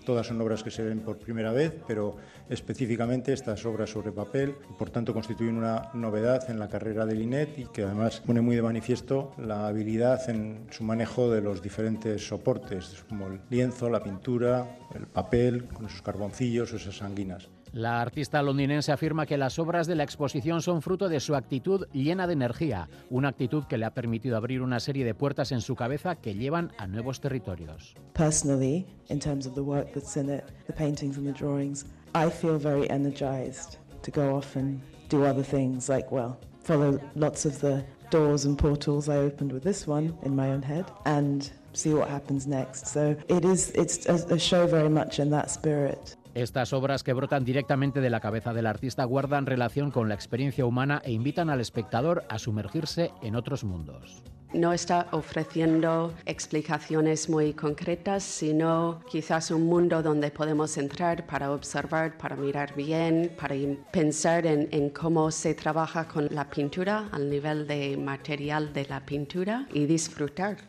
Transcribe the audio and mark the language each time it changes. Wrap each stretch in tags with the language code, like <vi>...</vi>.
<es>Todas son obras que se ven por primera vez, pero específicamente estas obras sobre papel, por tanto, constituyen una novedad en la carrera de Linette y que además pone muy de manifiesto la habilidad en su manejo de los diferentes soportes, como el lienzo, la pintura, el papel, con esos carboncillos o esas anguinas. La artista londinense afirma que las obras de la exposición son fruto de su actitud llena de energía, una actitud que le ha permitido abrir una serie de puertas en su cabeza que llevan a nuevos territorios.</es> <en>Personally, in terms of the work that's in it, the paintings and the drawings, I feel very energized to go off and do other things, like, well, follow lots of the doors and portals I opened with this one in my own head and see what happens next. So it's a show very much in that spirit.</en> <es>Estas obras que brotan directamente de la cabeza del artista guardan relación con la experiencia humana e invitan al espectador a sumergirse en otros mundos. No está ofreciendo explicaciones muy concretas, sino quizás un mundo donde podemos entrar para observar, para mirar bien, para pensar en cómo se trabaja con la pintura, al nivel de material de la pintura, y disfrutar.</es>